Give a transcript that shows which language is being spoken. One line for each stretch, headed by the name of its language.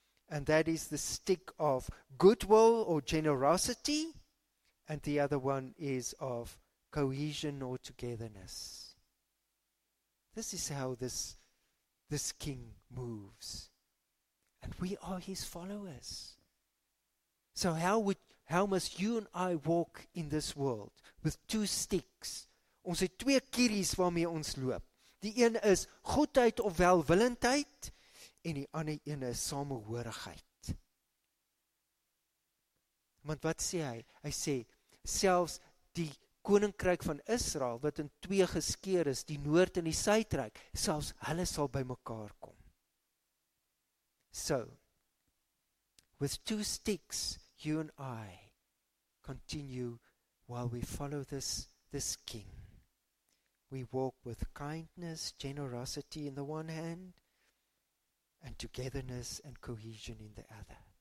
English: And that is the stick of goodwill or generosity, and the other one is of cohesion or togetherness. This is how this king moves. And we are his followers. So how must you and I walk in this world with two sticks?
Afrikaans: Ons het twee kieries waarmee ons loop. Die een is goedheid of welwillendheid en die ander een is samehorigheid. Want wat sê hy? Hy sê, selfs die Koninkryk van Israel, wat in twee geskeer is, die noord en die suidryk, selfs hulle sal by mekaar kom.
English: So, with two sticks, you and I continue while we follow this king. We walk with kindness, generosity in the one hand, and togetherness and cohesion in the other.